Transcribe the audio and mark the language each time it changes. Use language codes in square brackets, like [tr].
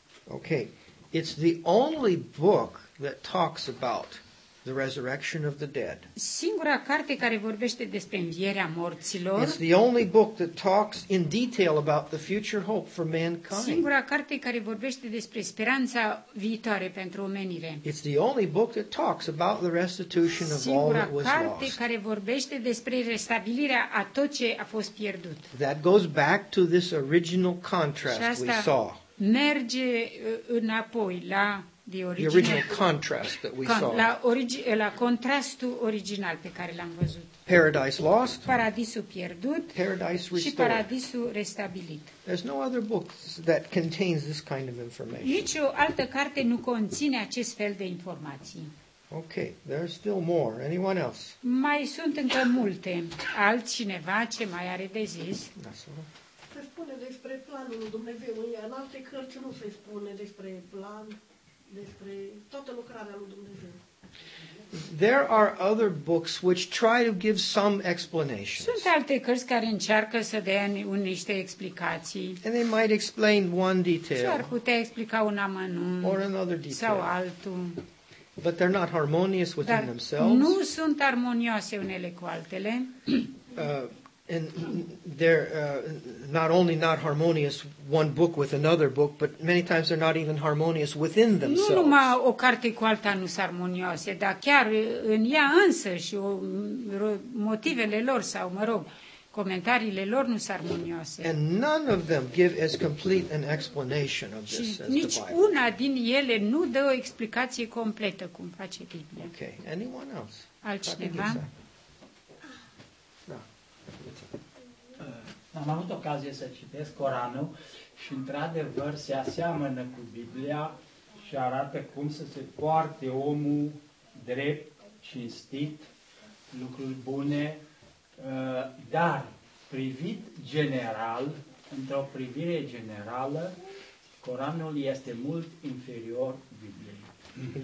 [en] Okay, it's the only book that talks about the resurrection of the dead. [ro] Singura carte care vorbește despre învierea morților. [en] It's the only book that talks in detail about the future hope for mankind. [ro] Singura carte care vorbește despre speranța viitoare pentru omenire. [en] It's the only book that talks about the restitution of all that was lost. [ro] Singura carte care vorbește despre restabilirea a tot ce a fost pierdut. [en] That goes back to this original contrast we saw. [ro] Merge înapoi la [en] original contrast that we saw. [ro] La contrastul original pe care l-am văzut. [en] Paradise lost. [ro] Paradisul pierdut. [en] Paradise restored. [ro] Și paradisul restabilit. [en] There's no other book that contains this kind of information. [ro] Nici o altă carte nu conține acest fel de informații. [en] Okay, there's still more. Anyone else? [ro] Mai sunt încă multe. Altcineva ce mai are de zis? Se spune despre planul lui Dumnezeu. În alte cărți nu se spune despre plan, despre toată lucrarea lui Dumnezeu. [en] There are other books which try to give some explanations. [ro] Sunt alte cărți care încearcă să dea niște explicații. [en] And they might explain one detail. [ro] S-ar putea explica un amănunt. [en] Or another detail. [ro] Sau altul. [en] But they're not harmonious within themselves. [ro] Nu sunt armonioase unele cu altele. [en] And they're not only not harmonious one book with another book, but many times they're not even harmonious within themselves. [ro] Nu numai o carte cu alta nu sunt armonioase, dar chiar în ea însă și motivele lor sau, mă rog, comentariile lor nu sunt armonioase. [en] And none of them give as complete an explanation of this as the Bible. [ro] Nici una din ele nu dă o explicație completă cum face Biblia. [en] Okay, anyone else? [ro] Altcineva? Am avut ocazie să citesc Coranul și într-adevăr se aseamănă cu Biblia și arată cum să se poarte omul drept, cinstit, lucruri bune, dar privit general, într-o privire generală, Coranul este mult inferior Bibliei.